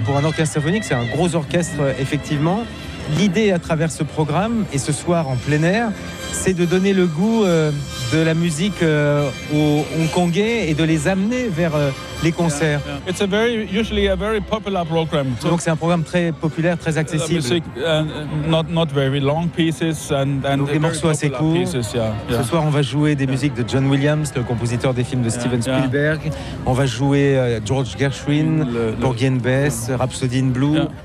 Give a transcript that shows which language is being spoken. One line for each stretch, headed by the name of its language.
French: Pour un orchestre symphonique, c'est un gros orchestre, effectivement. L'idée à travers ce programme, et ce soir en plein air, c'est de donner le goût de la musique aux Hongkongais et de les amener vers les concerts.
English: Yeah, yeah. It's a very, usually a very popular program.
French: So donc c'est un programme très populaire, très accessible.
English: Musique, not very long pieces and
French: donc des morceaux assez courts.
English: Pieces, yeah, yeah.
French: Ce soir, on va jouer des musiques de John Williams, le compositeur des films de Steven Spielberg. Yeah. On va jouer George Gershwin, Porgy and Bess, Rhapsody in Blue. Yeah.